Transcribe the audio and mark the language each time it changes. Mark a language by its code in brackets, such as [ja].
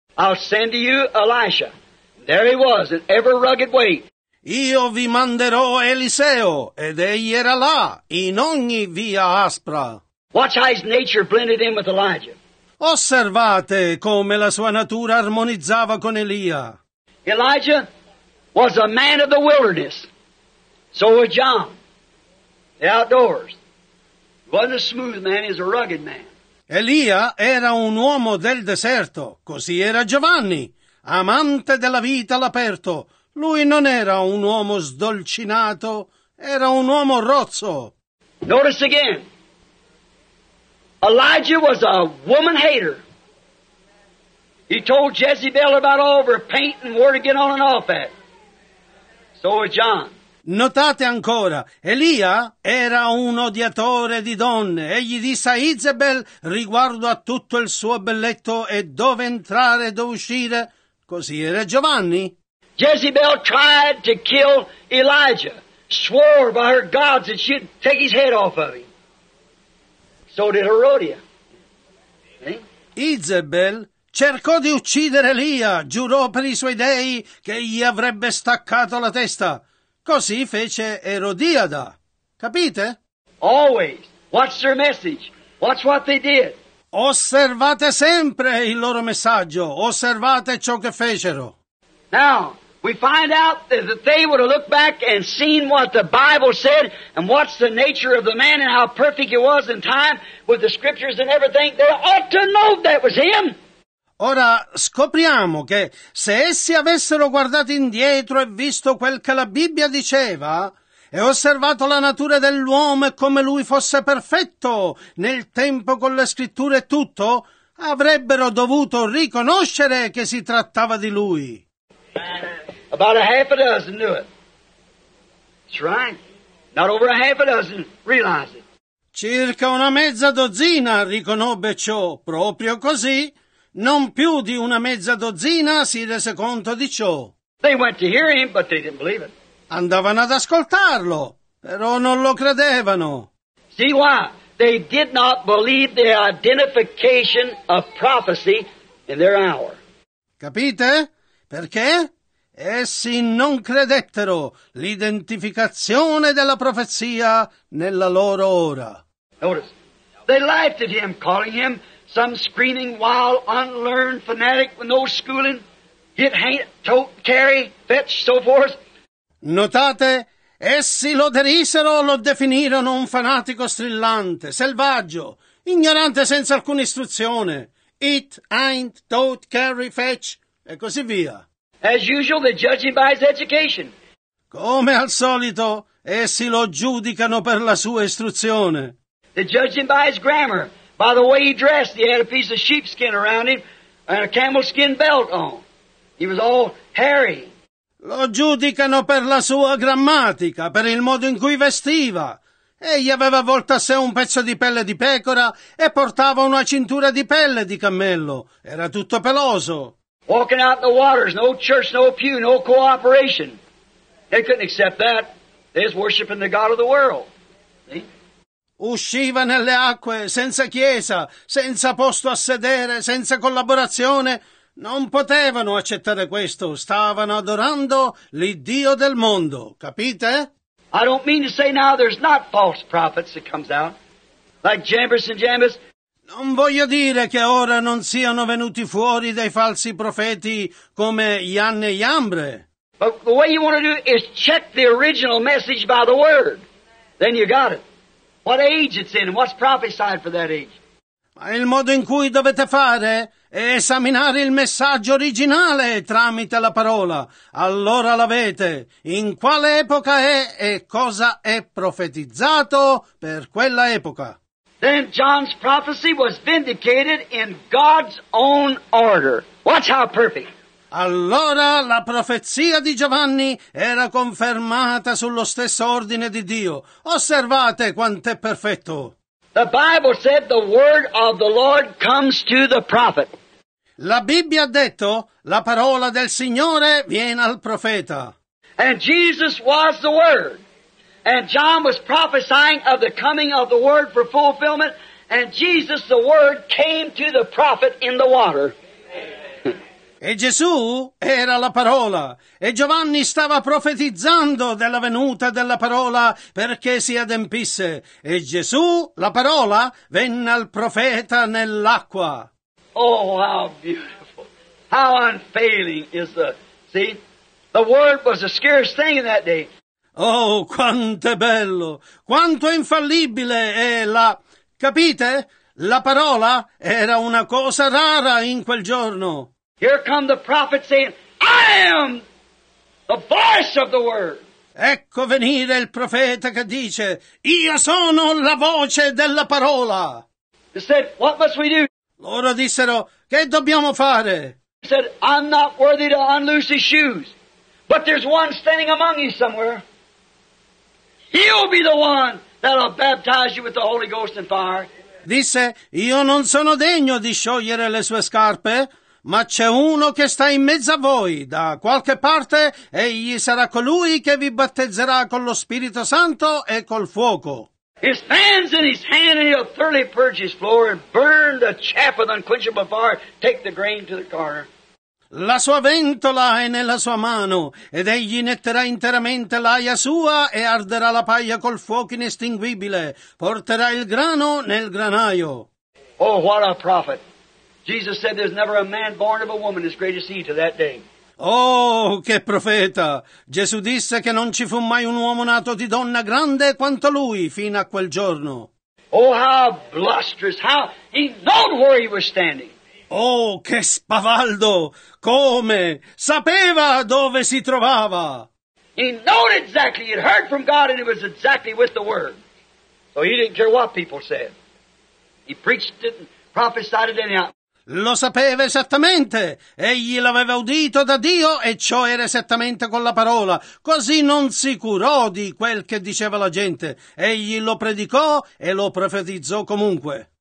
[en] I'll send to you Elisha. There he was, in every rugged way. [it] Io vi manderò Eliseo, ed egli era là, in ogni via aspra. [en] Watch how his nature blended in with Elijah. [it] Osservate come la sua natura armonizzava con Elia. [en] Elijah was a man of the wilderness. So was John, the outdoors. He wasn't a smooth man, he was a rugged man. [it] Elia era un uomo del deserto, così era Giovanni, amante della vita all'aperto. Lui non era un uomo sdolcinato, era un uomo rozzo. [en] Notice again, Elijah was a woman hater. He told Jezebel about all of her paint and where to get on and off at. So was John. [it] Notate ancora, Elia era un odiatore di donne. Egli disse a Izebel riguardo a tutto il suo belletto e dove entrare e dove uscire. Così era Giovanni. [en] Jezebel tried to kill Elijah, swore by her gods that she'd take his head off of him. So did Herodia. [it] Izebel cercò di uccidere Elia, giurò per i suoi dei che gli avrebbe staccato la testa. Così fece Erodiada. Capite? [en] Always. Watch their message. Watch what they did. [it] Osservate sempre il loro messaggio. Osservate ciò che fecero. [en] Now, we find out that they would have looked back and seen what the Bible said and what's the nature of the man and how perfect he was in time with the scriptures and everything. They ought to know that was him. [it] Ora scopriamo che se essi avessero guardato indietro e visto quel che la Bibbia diceva e osservato la natura dell'uomo e come lui fosse perfetto nel tempo con le scritture e tutto, avrebbero dovuto riconoscere che si trattava di lui. [en] About a half a dozen knew it. That's right. Not over a half a dozen realized it. [it] Circa una mezza dozzina riconobbe ciò, proprio così. Non più di una mezza dozzina si rese conto di ciò. [en] They went to hear him, but they didn't believe it. [it] Andavano ad ascoltarlo, però non lo credevano. [en] See why? They did not believe the identification of prophecy in their hour. [it] Capite? Perché? Essi non credettero l'identificazione della profezia nella loro ora. [en] Notice, they laughed at him, calling him some screaming, wild, unlearned fanatic with no schooling, get, hang, tote, carry, fetch, so forth. [it] Notate, essi lo derisero, lo definirono un fanatico strillante, selvaggio, ignorante senza alcuna istruzione, [en] it, ain't, tote, carry, fetch, [it] e così via. [en] As usual, they judge him by his education. [it] Come al solito, essi lo giudicano per la sua istruzione. [en] They judge him by his grammar. By the way he dressed, he had a piece of sheepskin around him and a camel skin belt on. He was all hairy. [it] Lo giudicano per la sua grammatica, per il modo in cui vestiva. Egli aveva avvolto a sé un pezzo di pelle di pecora e portava una cintura di pelle di cammello. Era tutto peloso. [en] Walking out in the waters, no church, no pew, no cooperation. They couldn't accept that. They was worshiping the God of the world. See? [it] Usciva nelle acque senza chiesa, senza posto a sedere, senza collaborazione. Non potevano accettare questo. Stavano adorando l'Iddio del mondo. Capite? [en] I don't mean to say now there's not false prophets that comes out, like Jambres and Jambres. [it] Non voglio dire che ora non siano venuti fuori dei falsi profeti come Jan e Jambre. [en] But the way you want to do it is check the original message by the word. Then you got it. What age it's in and what's prophesied for that age. [it] Ma il modo in cui dovete fare è esaminare il messaggio originale tramite la parola. Allora l'avete. In quale epoca è e cosa è profetizzato per quella epoca? [en] Then John's prophecy was vindicated in God's own order. Watch how perfect. [it] Allora la profezia di Giovanni era confermata sullo stesso ordine di Dio. Osservate quanto è perfetto. [en] The Bible said the word of the Lord comes to the prophet. [it] La Bibbia ha detto la parola del Signore viene al profeta. [en] And Jesus was the word. And John was prophesying of the coming of the word for fulfillment. And Jesus, the word, came to the prophet in the water. [it] E Gesù era la parola. E Giovanni stava profetizzando della venuta della parola perché si adempisse. E Gesù, la parola, venne al profeta nell'acqua. [en] Oh, how beautiful. How unfailing is the... See? The word was the scarce thing in that day. [it] Oh, quanto è bello! Quanto è infallibile è la... Capite? La parola era una cosa rara in quel giorno. [en] Here come the prophet saying, I am the voice of the word. [it] Ecco venire il profeta che dice, io sono la voce della parola. [en] He said, what must we do? [it] Loro dissero, che dobbiamo fare? [en] He said, I'm not worthy to unloose his shoes, but there's one standing among you somewhere. He'll be the one that'll baptize you with the Holy Ghost and fire. [it] Disse, io non sono degno di sciogliere le sue scarpe, ma c'è uno che sta in mezzo a voi. Da qualche parte, egli sarà colui che vi battezzerà con lo Spirito Santo e col fuoco. [en] His fans in his hand and he'll thoroughly purge his floor and burn the chaff with unquenchable fire, take the grain to the corner. [it] La sua ventola è nella sua mano, ed egli netterà interamente l'aia sua e arderà la paglia col fuoco inestinguibile. Porterà il grano nel granaio. [en] Oh, what a prophet! Jesus said there's never a man born of a woman as great as he to that day. [it] Oh, che profeta! Gesù disse che non ci fu mai un uomo nato di donna grande quanto lui fino a quel giorno. [en] Oh, how blustrous! How he knowed where he was standing! [it] Oh, che spavaldo! Come? Sapeva dove si trovava! [en] He knowed exactly. He had heard from God and it was exactly with the word. So he didn't care what people said. He preached it and prophesied it anyhow. [it] Lo sapeva esattamente. Egli l'aveva udito da Dio e ciò era esattamente con la parola. Così non si curò di quel che diceva la gente. Egli lo predicò e lo profetizzò comunque.